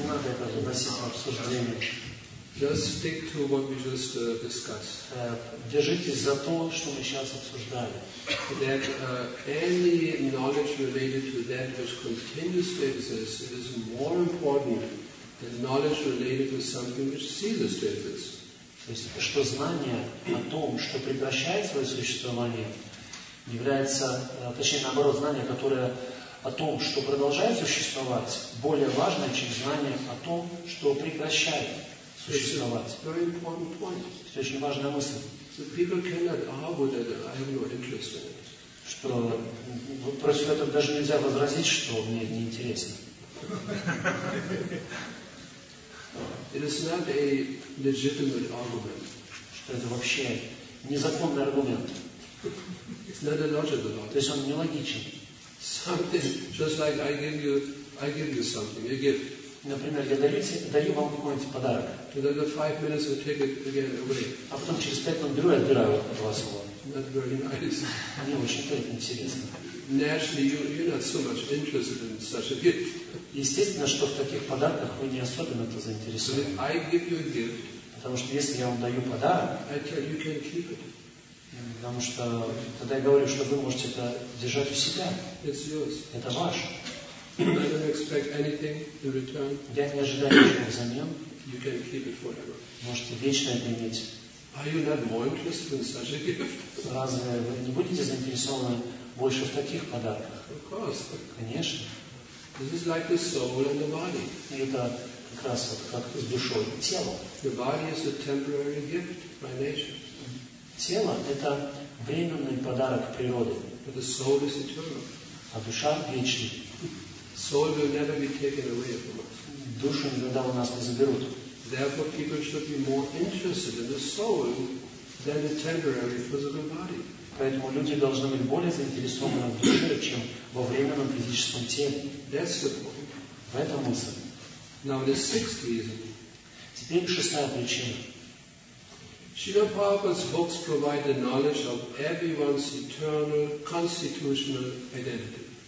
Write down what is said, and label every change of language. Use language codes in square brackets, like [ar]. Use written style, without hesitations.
[ru] Не надо это выносить в обсуждение. [en] Just stick to what we just discussed. [ru] Держитесь за то, что мы сейчас обсуждали. [en] That any knowledge related to that which continues to exist is more important than knowledge related to something which ceases to exist. [ru] То есть, что знание о том, что прекращает свое существование, является, точнее наоборот, знание, которое о том, что продолжает существовать, более важно, чем знание о том, что прекращает существовать. [en] Very important point. [ru] Это очень важная мысль. [en] So people cannot argue that I have no interest in it. [ru] Что против этого даже нельзя возразить, что мне не интересно. [en] It is not a legitimate argument. [ru] Что это вообще незаконный аргумент. [en] It's not a logical argument. [ru] То есть он нелогичен. [en] Something just like I give you something, a gift. [ru] Например, я даю вам какой-нибудь подарок. [en] And then the 5 minutes will take it again away. [ru] А потом через 5 минут беру и отбираю от вас его. [en] Not very nice. [ru] Не очень, это интересно. [en] Naturally, you're not so much interested in such a gift. [ru] Естественно, что в таких подарках вы не особенно это заинтересованы. [en] So I give you a gift. [ru] Потому что если я вам даю подарок, [en] I tell you can keep it. [ru] Потому что тогда я говорю, что вы можете это держать у себя. [en] It's yours. [ru] Это ваше. [en] I don't expect anything in return. [ru] Я не ожидаю ничего взамен. [en] You can keep it forever. [ru] Можете вечно это иметь. [en] Are you not more interested in such a gift? [ru] Разве вы не будете заинтересованы больше в таких подарках? [en] Of course. [ru] Конечно. [en] This is like the soul and the body. [ru] И это как раз вот как с душой. Тело. [en] The body is a temporary gift by nature. [ru] Тело – это временный подарок природы. [en] But the soul is eternal. [ru] А душа вечна. [en] Soul will never be taken away from us. [ru] Душу никогда у нас не заберут. [en] Therefore, people should be more interested in the soul than the temporary physical body. [ru] Поэтому люди должны быть более заинтересованы в душе, чем во временном физическом теле. [en] That's the point. [ru] В этом мысль. [en] Now the sixth reason. [ru] Теперь шестая причина. [en] Srila Prabhupada's books provide the knowledge of everyone's eternal constitutional identity.